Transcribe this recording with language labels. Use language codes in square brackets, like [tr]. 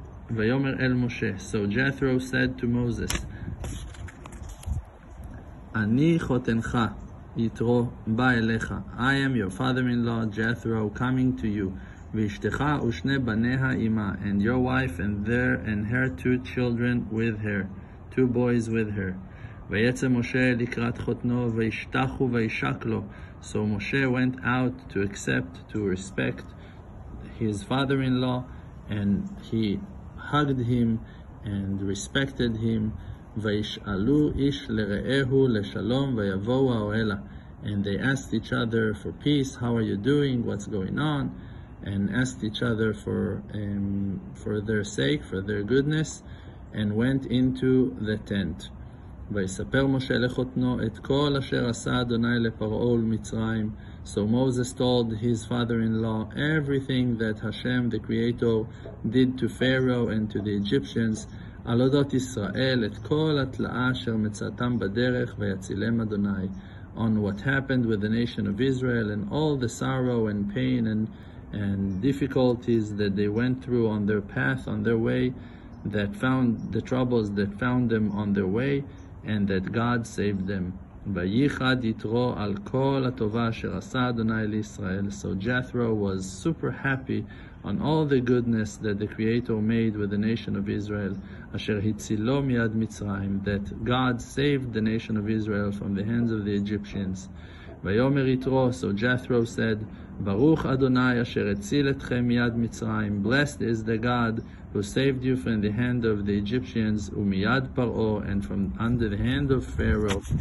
[he] ויאמר אל משה, [en] so Jethro said to Moses, [he] אני חותנך יתרו בא אליך, [en] I am your father-in-law Jethro coming to you, [he] ואשתך ושני בניה אימה, [en] and your wife and there and her two children with her, two boys with her. [he] ויצא משה לקראת חותנו וישתחו וישק לו. [en] So Moshe went out to accept, to respect his father-in-law, and he hugged him and respected him. [he] וישאלו איש לרעהו לשלום ויבואו האוהלה, [en] and they asked each other for peace, how are you doing, what's going on, and asked each other for their sake, for their goodness, and went into the tent. [he] ויספר משה לחותנו את כל אשר עשה אדוני לפרעה ולמצרים. [en] So Moses told his father-in-law everything that Hashem, the Creator, did to Pharaoh and to the Egyptians. [he] על אודות ישראל את כל התלאה אשר מצאתם בדרך ויצילם אדוני. [en] On what happened with the nation of Israel and all the sorrow and pain and difficulties that they went through on their path, on their way, that found the troubles that found them on their way, and that God saved them. [he] ויחד יתרו על כל הטובה אשר עשה אדוני לישראל. [en] So Jethro was super happy on all the goodness that the Creator made with the nation of Israel, [he] asher hitzilo miyad Mitzrayim, [en] that God saved the nation of Israel from the hands of the Egyptians. [he] Vayomer Yitro, [en] so Jethro said, [he] Baruch Adonai asher hitzil etchem miyad Mitzrayim, [en] blessed is the God who saved you from the hand of the Egyptians, [he] umiyad paro, [en] and from under the hand of Pharaoh.